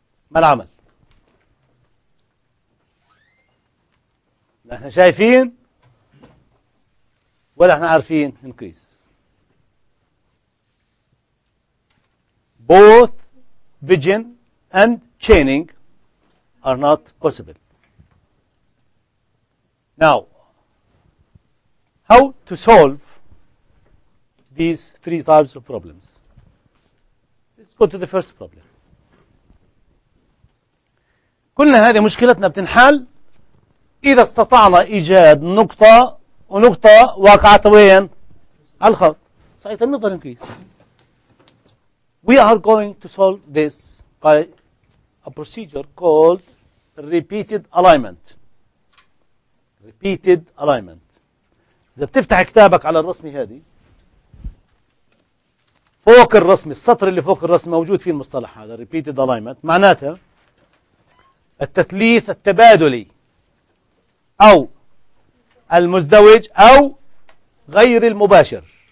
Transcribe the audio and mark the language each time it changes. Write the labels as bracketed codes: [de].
[ar] ما العمل؟ لا احنا شايفين ولا احنا عارفين نقيس. [en] Both vision and chaining are not possible. Now, how to solve these three types of problems? Let's go to the first problem. [ar] كلنا هذه مشكلتنا بتنحل إذا استطعنا إيجاد نقطة ونقطة واقعة وين؟ على الخط. صحيح نقدر نقيس. [en] We are going to solve this by a procedure called repeated alignment. Repeated alignment. [ar] إذا بتفتح كتابك على الرسمة هذه فوق الرسمة السطر اللي فوق الرسمة موجود فيه المصطلح هذا repeated alignment معناتها التثليث التبادلي أو المزدوج أو غير المباشر.